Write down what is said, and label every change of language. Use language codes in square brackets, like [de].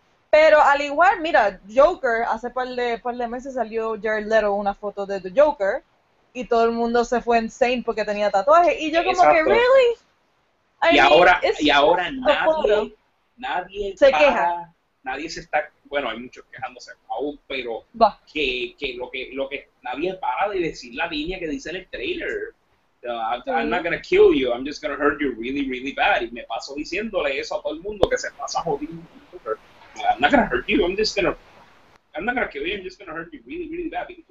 [es] Pero al igual, mira, Joker, hace par de meses salió Jared Leto una foto de The Joker, y todo el mundo se fue insane porque tenía tatuaje, y yo como que, ¿really? Y ahora nadie se queja. Nadie se está, bueno, hay muchos quejándose aún, pero que nadie para de decir la línea que dice en el trailer. [en] I'm not gonna kill you, I'm just gonna hurt you really, really bad. [es] Y me paso diciéndole eso a todo el mundo que se pasa jodiendo. [en] I'm not gonna hurt you, I'm just gonna hurt you really, really bad.